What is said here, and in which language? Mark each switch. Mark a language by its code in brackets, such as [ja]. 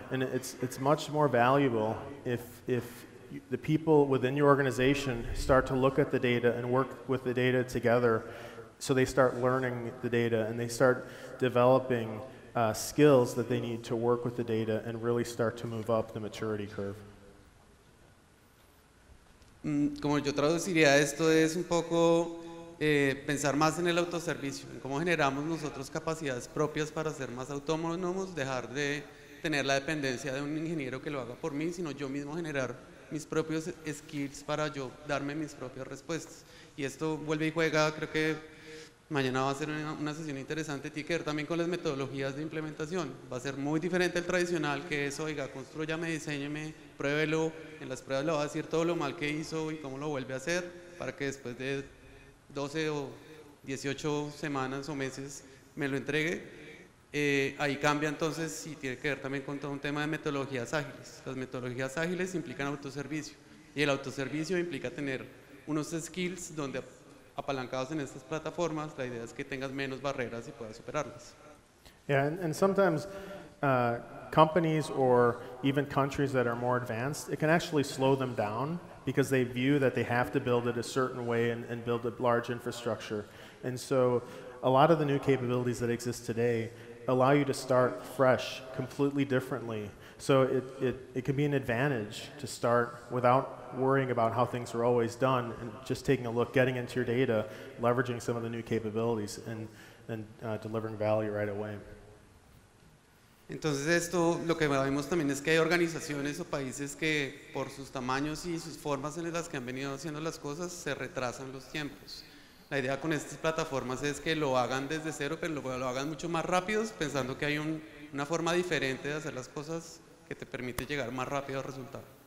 [en] And it's much more valuable if the people within your organization start to look at the data and work with the data together so they start learning the data and they start developing skills that they need to work with the data and really start to move up the maturity curve. [es] Como yo traduciría esto es un poco pensar más en el autoservicio, en cómo generamos nosotros capacidades propias para ser más autónomos, dejar de tener la dependencia de un ingeniero que lo haga por mí, sino yo mismo generar mis propios skills para yo darme mis propias respuestas. Y esto vuelve y juega, creo que mañana va a ser una sesión interesante, tiene que ver también con las metodologías de implementación. Va a ser muy diferente al tradicional, que es, oiga, constrúyame, diséñeme, pruébelo, en las pruebas le va a decir todo lo mal que hizo y cómo lo vuelve a hacer, para que después de 12 o 18 semanas o meses me lo entregue. Ahí cambia entonces, y tiene que ver también con todo un tema de metodologías ágiles. Las metodologías ágiles implican autoservicio, y el autoservicio implica tener unos skills donde apalancados en estas plataformas, la idea es que tengas menos barreras y puedas superarlas. [en] Yeah, and sometimes companies or even countries that are more advanced, it can actually slow them down because they view that they have to build it a certain way and build a large infrastructure. And so a lot of the new capabilities that exist today allow you to start fresh, completely differently. So it can be an advantage to start without worrying about how things are always done and just taking a look, getting into your data, leveraging some of the new capabilities and delivering value right away. [es] Entonces esto, lo que vemos también es que hay organizaciones o países que por sus tamaños y sus formas en las que han venido haciendo las cosas, se retrasan los tiempos. La idea con estas plataformas es que lo hagan desde cero, pero lo hagan mucho más rápido, pensando que hay una forma diferente de hacer las cosas que te permite llegar más rápido al resultado.